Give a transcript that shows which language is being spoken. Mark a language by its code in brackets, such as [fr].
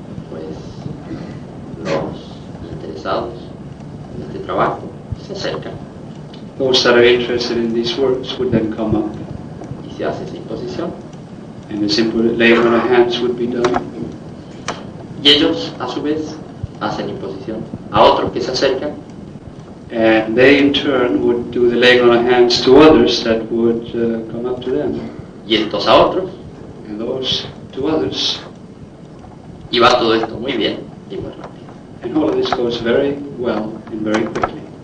[es] pues los interesados en este trabajo se acercan. [en] Those that are interested in these works would then come up. [es] Y se hace esa imposición. [en] And the simple laying on of hands would be done. [es] Y ellos, a su vez, hacen imposición a otros que se acercan. [en] And they, in turn, would do the laying on of hands to others that would come up to them. [es] Y estos a otros. [en] And those to others. [es] Y va todo esto muy bien y muy rápido. [en] And all of this goes very well and very quickly.